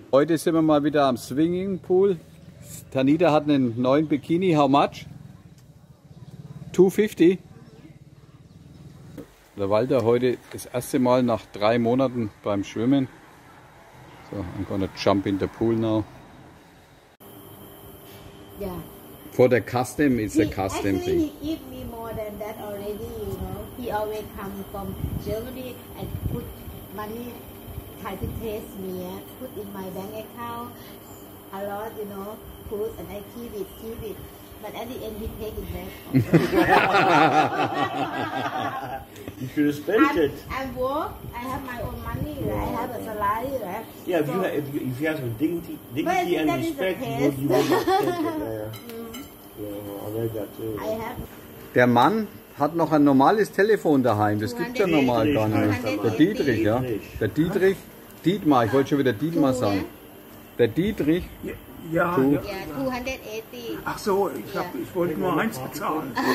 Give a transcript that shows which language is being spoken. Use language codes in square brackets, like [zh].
[de] Heute sind wir mal wieder am Swinging Pool. Tanita hat einen neuen Bikini. [en] How much? [de] 250. Der Walter heute das erste Mal nach 3 Monaten beim Schwimmen. [en] So, I'm gonna jump in the pool now. Yeah. For the custom, it's a custom actually, thing. Actually, he gave me more than that already, you know. He always come from Germany and put money, try to test me, put in my bank account a lot, you know, put and I keep it. But at the end, he take it back. You should have spent it. I work. I have my own money. Right? I have a salary. Right? Yeah, if you have some dignity and respect, you will not spend it. Yeah, well, I like that too. I have. [de] Der Mann hat noch ein normales Telefon daheim. Das gibt's ja normal gar nicht. Der Dietrich, ja. Der Dietrich. Dietmar, ich wollte schon wieder Dietmar sagen. Der Dietrich. Ja, 280. Ach so, ich wollte nur eins bezahlen.